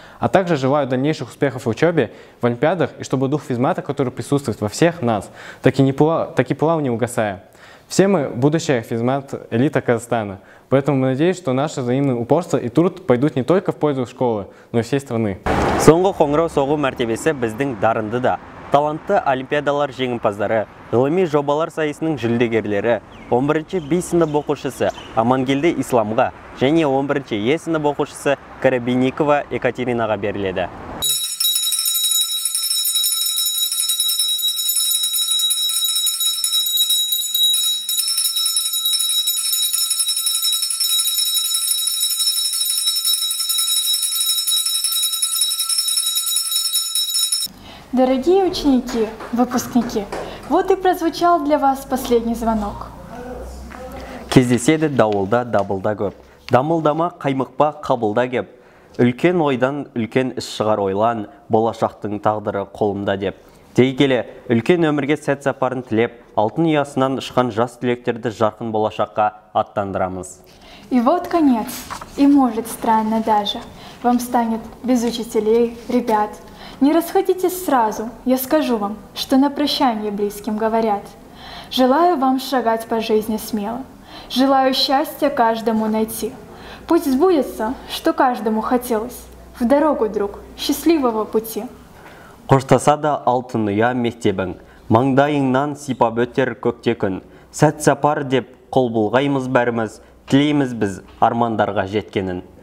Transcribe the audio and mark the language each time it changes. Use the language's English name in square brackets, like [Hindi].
[Russian] А также желаю дальнейших успехов в учебе, в олимпиадах, и чтобы дух физмата, который присутствует во всех нас, так и плавал не угасая. Все мы – будущая физмат-элита Казахстана, поэтому мы надеемся, что наше взаимное упорство и труд пойдут не только в пользу школы, но и всей страны. [Kazakh] Соңғы қоңырау соғу мәртебесі біздің дарынды да. Талантты олимпиадалар жеңімпаздары, ғылыми жобалар сайысының жүлдегерлері, 11-ші бейсіндіп оқушысы Амангелді Исламға және 11-ші есіндіп оқушысы Карабинникова Екатеринаға беріледі. [Russian] Дорогие ученики, выпускники, вот и прозвучал для вас последний звонок. [Kazakh] Кездеседі дауылда дабылда көп, дамылдама қаймықпа қабылда кеп, үлкен ойдан үлкен іс шығар ойлан, болашақтың тағдыры қолымда деп. Дейгеле, үлкен өмірге сәт сапарын тілеп, алтын ұясынан ұшқан жас түлектерді жарқын болашаққа аттандырамыз. [Russian] И вот конец, и может странно даже, вам станет без учителей, ребят. Не расходитесь сразу, я скажу вам, что на прощание близким говорят. Желаю вам шагать по жизни смело, желаю счастья каждому найти. Пусть сбудется, что каждому хотелось. В дорогу, друг, счастливого пути. [Kazakh] Құштаса да алтын ұя мектебің, маңдайыңнан сипап өтер көкте күн. Сәт сапар деп қол бұлғаймыз бәріміз, тілейміз біз армандарға жеткенін.